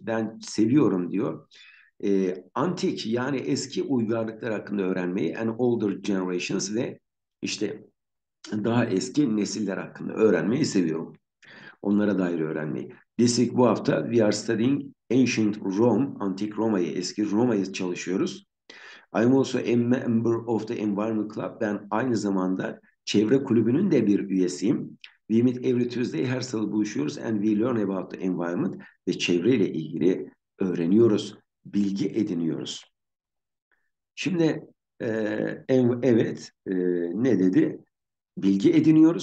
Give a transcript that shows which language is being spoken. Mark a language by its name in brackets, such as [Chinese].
[Turkish] Ben seviyorum diyor. Antik, yani eski uygarlıklar hakkında öğrenmeyi, [English] and older generations, [Turkish] ve işte daha eski nesiller hakkında öğrenmeyi seviyorum. Onlara dair öğrenmeyi. Desek bu hafta [English] we are studying ancient Rome, [Turkish] antik Roma'yı, eski Roma'yı çalışıyoruz. [English] I'm also a member of the Environment Club. [Turkish] Ben aynı zamanda çevre kulübünün de bir üyesiyim. [English] We meet every Tuesday, [Turkish] her salı buluşuyoruz [English] and we learn about the environment, [Turkish] ve çevreyle ilgili öğreniyoruz, bilgi ediniyoruz. Şimdi evet, ne dedi? Bilgi ediniyoruz.